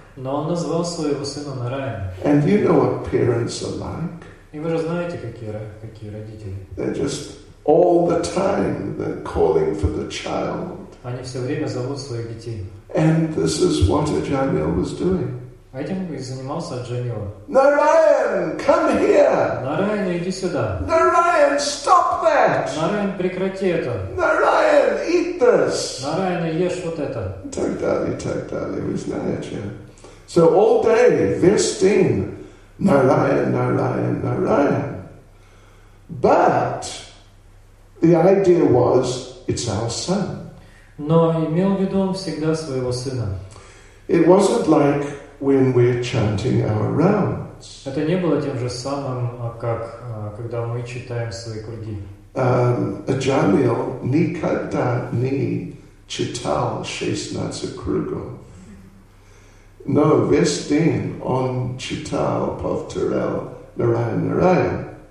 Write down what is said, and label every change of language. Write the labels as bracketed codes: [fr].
[ru] Но он назвал своего сына Нараян. [en] And you know what parents are like? [ru] И вы же знаете, какие родители. [en] They're just all the time they're calling for the child. [ru] Они все время зовут своих детей. [en] And this is what Джамил was doing. [ru] А этим и занимался Джамил. [en] Narayan, come here! [ru] Narayan, иди сюда! [en] Narayan, stop that! [ru] Narayan, прекрати это! [en] Narayan, eat this! [ru] Narayan, ешь вот это! Так далее, вы знаете. [en] So all day, visiting Narayan. But the idea was, it's our son. [ru] Но имел в виду он всегда своего сына. [en] It wasn't like when we're chanting our rounds. [ru] Это не было тем же самым, как когда мы читаем свои круги. Джамил никогда не читал 16 кругов. Но весь день он читал, повторял Нараян.